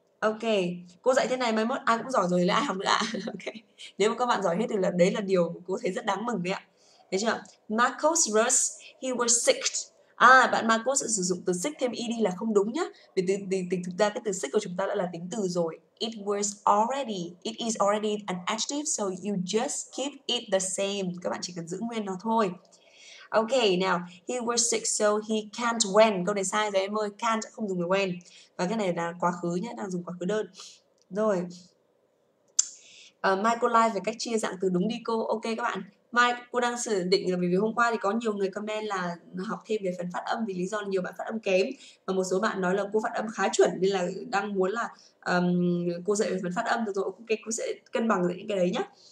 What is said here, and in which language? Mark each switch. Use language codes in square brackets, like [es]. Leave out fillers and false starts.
[vi] Ok, cô dạy thế này mai mốt ai cũng giỏi rồi, lại ai học nữa ạ. À? Ok, nếu mà các bạn giỏi hết thì là đấy là điều cô thấy rất đáng mừng đấy ạ. Thấy chưa? Marcos Rus, [en] he was sick. [vi] À, bạn Marcos sử dụng từ sick thêm ed là không đúng nhá. Vì tính thực ra cái từ sick của chúng ta đã là tính từ rồi. [en] It is already an adjective, so you just keep it the same. [vi] Các bạn chỉ cần giữ nguyên nó thôi. [en] Ok, now, he was sick, so he can't when. [vi] Câu này sai rồi em ơi, can't không dùng được when. Và cái này là quá khứ nhá, đang dùng quá khứ đơn. Rồi. Michael Live về cách chia dạng từ đúng đi cô. Ok các bạn. Mai cô đang sử định là vì hôm qua thì có nhiều người comment là học thêm về phần phát âm vì lý do là nhiều bạn phát âm kém, và một số bạn nói là cô phát âm khá chuẩn nên là đang muốn là cô dạy về phần phát âm. Được rồi, ok, cô sẽ cân bằng những cái đấy nhá.